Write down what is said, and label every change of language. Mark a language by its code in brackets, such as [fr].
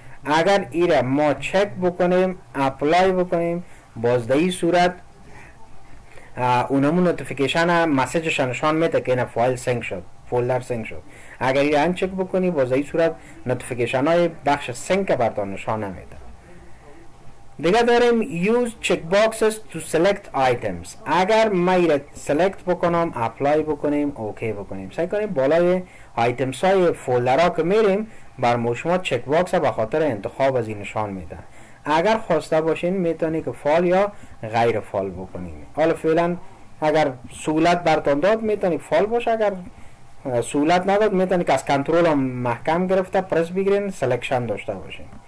[fa] اگر ایره ما چک بکنیم، اپلای بکنیم، باز در این صورت اونمو نوتیفیکیشن مسیجش نشان میده که یعنی فایل سینک شد، فولدر سینک شد. اگر ایره ان چک بکنی، باز در این صورت نوتیفیکیشن های بخش سینک برتان نشان نمیده. [en] دیگه داریم use check boxes to select items. [fa] اگر ما ایره سلکت بکنم، اپلای بکنیم، اوکی بکنیم، سعی کنیم بالای آیتمز های فولدر ها که میریم بر ما شما چک باکس به خاطر انتخاب از این نشان میده. اگر خواسته باشین میتونی که فال یا غیر فال بکنیم. حالا فعلا اگر سهولت برتان داد میتونی فال باشه، اگر سهولت نداد میتونی که از کنترل هم محکم گرفته پرس بگیرین سلکشن داشته باشین.